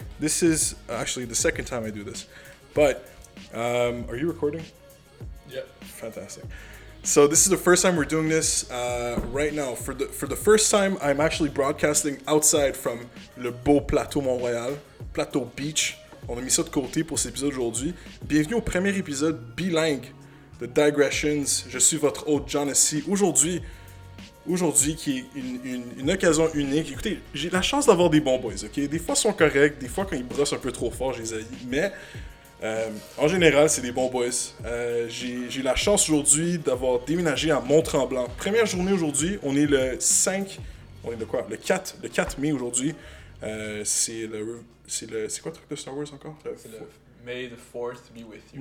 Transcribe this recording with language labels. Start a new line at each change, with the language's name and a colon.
English: This is actually the second time I do this. But, are you recording? Yeah. Fantastic. So this is the first time we're doing this right now. For the first time, I'm actually broadcasting outside from
French: le beau plateau
English: Montréal, Plateau Beach.
French: On a mis ça de côté pour cet épisode aujourd'hui. Bienvenue au premier épisode bilingue de Digressions. Je suis votre hôte, John C. Aujourd'hui, qui est une occasion unique. Écoutez, j'ai la chance d'avoir des bons boys, OK? Des fois, ils sont corrects. Des fois, quand ils brossent un peu trop fort, je les haïs. Mais en général, c'est des bons boys. J'ai la chance aujourd'hui d'avoir déménagé à Mont-Tremblant. Première journée aujourd'hui. On est le 4 mai aujourd'hui. C'est quoi le truc de Star Wars encore? C'est le
English: May the 4th be with you.